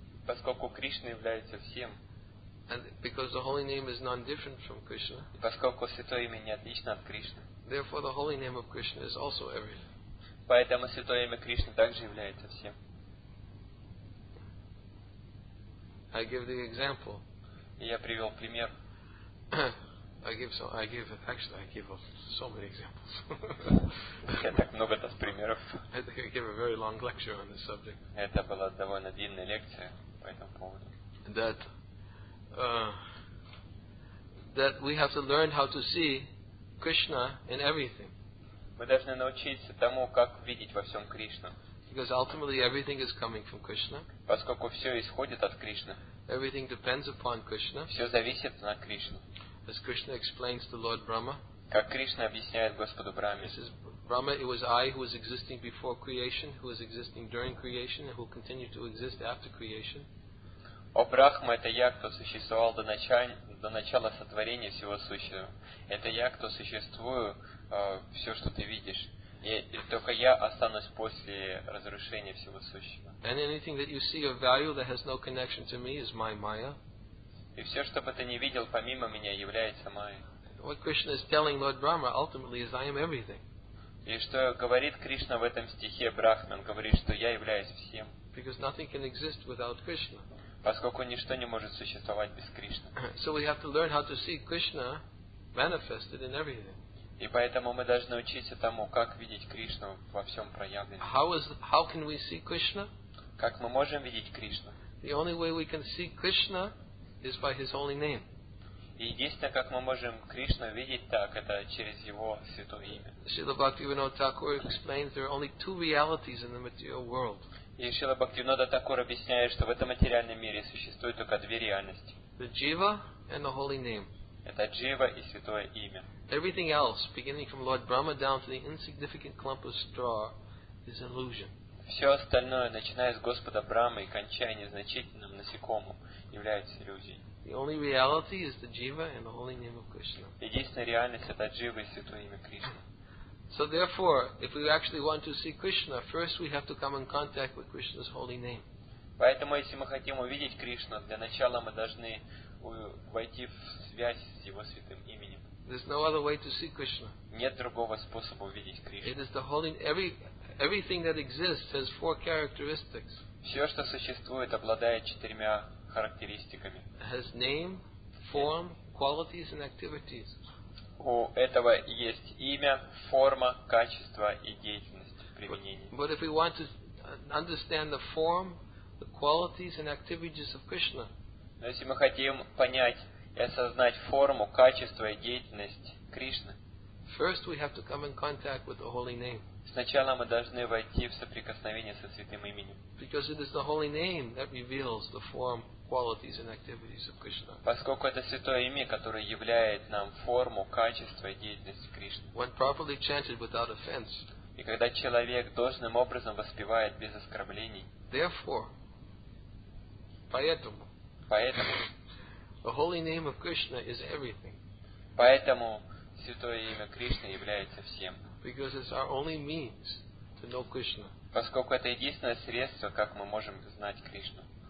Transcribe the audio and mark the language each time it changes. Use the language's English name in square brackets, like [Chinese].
[Russian] Поскольку Кришна является всем. [English] And because the holy name is none different from Krishna. [Russian] И поскольку святое имя не отлично от Кришны. [English] Therefore, the holy name of Krishna is also everything. [Russian] Поэтому святое имя Кришны также является всем. [English] I give the example. [Russian] Я привел пример. [English] I give so many examples. [Russian] Я так много тас примеров. [English] I think I gave a very long lecture on this subject. [Russian] Это была довольно длинная лекция по этому поводу. [English] That we have to learn how to see Krishna in everything. [Russian] Мы должны научиться тому, как видеть во всем Кришну. [English] Because ultimately everything is coming from Krishna. [Russian] Поскольку все исходит от Кришны. [English] Everything depends upon Krishna. [Russian] Все зависит на Кришне. [English] As Krishna explains to Lord Brahma. [Russian] Как Кришна объясняет Господу Брахме. [English] He says, Brahma, it was I who was existing before creation, who was existing during creation, and who will continue to exist after creation. [Russian] О Брахма, это я, кто существовал до начала сотворения всего сущего. Это я, кто существую, все, что ты видишь. И только я останусь после разрушения всего сущего. [English] And anything that you see of value that has no connection to me is my Maya. [Russian] И все, что бы ты не видел помимо меня, является Майя. [English] What Krishna is telling Lord Brahma ultimately is I am everything. [Russian] И что говорит Кришна в этом стихе Брахме? Он говорит, что я являюсь всем. [English] Because nothing can exist without Krishna. [Russian] Поскольку ничто не может существовать без Кришны. [English] So we have to learn how to see Krishna manifested in everything. [Russian] И поэтому мы должны учиться тому, как видеть Кришну во всем проявленном. [English] How can we see Krishna? [Russian] Как мы можем видеть Кришну? [English] The only way we can see Krishna is by His holy name. [Russian] И единственное, как мы можем Кришну видеть так, это через Его святое имя. [English] Srila Bhaktivinoda Thakur explains there are only two realities in the material world. [Russian] И Srila Bhaktivinoda Thakur объясняет, что в этом материальном мире существует только две реальности. [English] The jiva and the holy name. [Russian] Это джива и святое имя. [English] Everything else, beginning from Lord Brahma down to the insignificant clump of straw, is illusion. [Russian] Все остальное, начиная с Господа Брахмы и кончая незначительным насекомым, является иллюзией. [English] The only reality is the jiva and the holy name of Krishna. [Russian] Единственная реальность это джива и святое имя Кришны. [English] So therefore, if we actually want to see Krishna, first we have to come in contact with Krishna's holy name. [Russian] Поэтому, если мы хотим увидеть Кришну, для начала мы должны войти в связь с Его святым именем. [English] There's no other way to see Krishna. [Russian] Нет другого способа увидеть Кришну. [English] It is the holy everything that exists has four characteristics. [Russian] Все, что существует, обладает четырьмя характеристиками. [English] Has name, form, qualities and activities. [Russian] У этого есть имя, форма, качество и деятельность применения. [English] But if we want to understand the form, the qualities and activities of Krishna. [Russian] Но если мы хотим понять и осознать форму, качество и деятельность Кришны. [English] First we have to come in contact with the holy name. [Russian] Сначала мы должны войти в соприкосновение со святым именем. [English] Because it is the holy name that reveals the form, qualities and activities of Krishna. [Russian] Поскольку это святое имя, которое являет нам форму, качество и деятельность Кришны. [English] When properly chanted without offense. [Russian] И когда человек должным образом воспевает без оскорблений. [English] Therefore, [Russian] поэтому [English] the holy name of Krishna is everything. [Russian] Поэтому святое имя Кришны является всем. [English] Because it's our only means to know Krishna. [Russian] Поскольку это единственное средство, как мы можем знать Кришну.